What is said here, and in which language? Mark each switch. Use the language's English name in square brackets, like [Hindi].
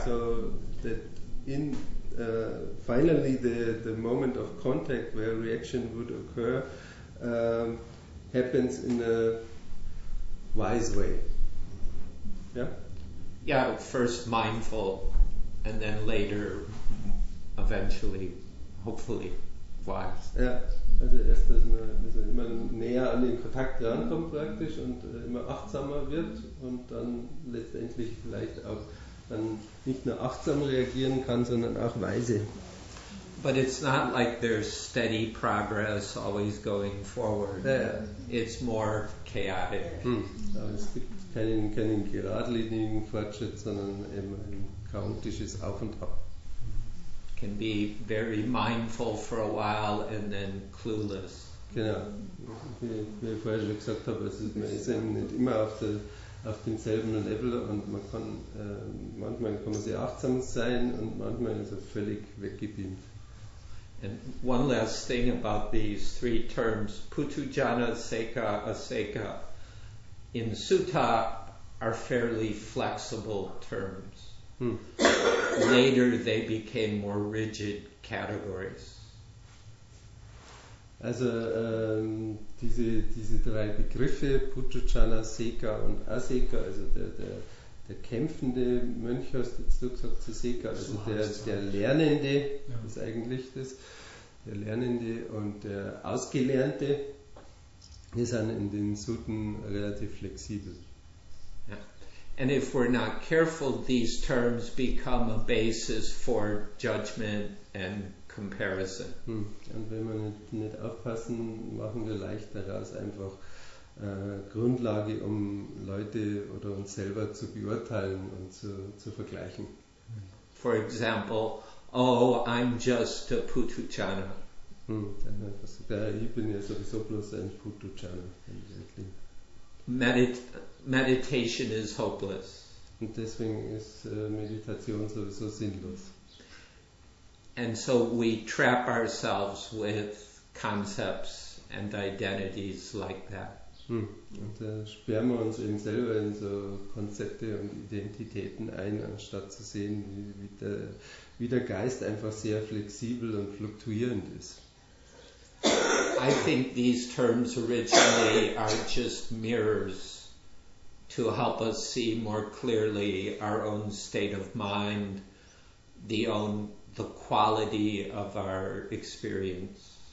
[English] So that in finally the moment of contact where reaction would occur happens in a wise way. Yeah? Yeah, first mindful and then later eventually, hopefully, wise. [German] Ja, also erst, dass man immer näher an den Kontakt rankommt praktisch und immer achtsamer wird und dann letztendlich vielleicht auch dann nicht nur achtsam reagieren kann, sondern auch weise. [English] But it's not like there's steady progress always going forward. Yeah. It's more chaotic. Hm. [German] Aber es gibt keinen geradlinigen Fortschritt, sondern eben ein chaotisches Auf und Ab. [English] Can be very mindful for a while and then clueless. [German] Genau. Wie ich vorher schon gesagt habe, also man ist eben nicht immer auf demselben Level und man kann manchmal kann man sehr achtsam sein und manchmal ist er völlig weggebeamt. [English] And one last thing about these three terms, Bhutucana, Seka, Aseka, in Sutta are fairly flexible terms. Hmm. Later they became more rigid categories. [German] Also diese drei Begriffe, Bhutucana, Seka und Aseka, also der kämpfende Mönch, hast du jetzt gesagt, zu Seka, also der Lernende, ja, ist eigentlich das. Der Lernende und der Ausgelernte, die sind in den Sutten relativ flexibel. Ja. [English] And if we're not careful, these terms become a basis for judgment and comparison. Hm. [German] Und wenn wir nicht aufpassen, machen wir leicht daraus einfach Grundlage, um Leute oder uns selber zu beurteilen und zu vergleichen. [English] For example, oh, I'm just a Putu-Jana. [German] Ich bin ja sowieso bloß ein Putu-Jana. [English] Meditation is hopeless. [German] Und deswegen ist Meditation sowieso sinnlos. [English] And so we trap ourselves with concepts and identities like that. [German] Und da sperren wir uns eben selber in so Konzepte und Identitäten ein, anstatt zu sehen, wie der Geist einfach sehr flexibel und fluktuierend ist. [English] I think these terms originally are just mirrors to help us see more clearly our own state of mind, the quality of our experience.